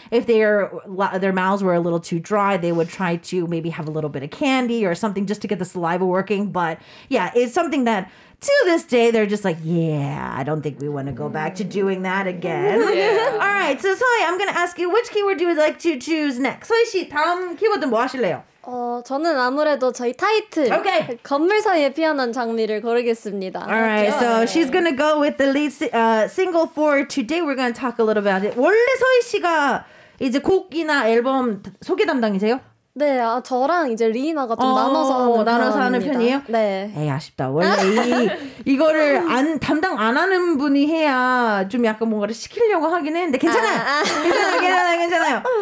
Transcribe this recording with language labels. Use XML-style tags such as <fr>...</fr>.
<en>If their mouths were a little too dry, they would try to maybe have a little bit of candy or something just to get the saliva working. But yeah, it's something that to this day they're just like, yeah, I don't think we want to go back to doing that again. Yeah. All right, so Soy, I'm gonna ask you, which keyword do you like to choose next?</en> <ko>Soy 씨, 다음 키워드 뭐 하실래요? 저는 아무래도 저희 타이틀</ko> <en>okay.</en> <ko>건물 사이에 피어난 장미를 고르겠습니다.</ko> <en>Alright, so she's gonna go with the lead single for today. We're gonna talk a little about it.</en> <ko>원래 서희 씨가 이제 곡이나 앨범 소개 담당이세요? 네, 저랑 이제 리이나가 좀 나눠서 하는 편이에요? 네. 에이, 아쉽다. 원래 이거를 담당 안 하는 분이 해야 좀 약간 뭔가를 시키려고 하긴 했는데 괜찮아요. 괜찮아요.</ko>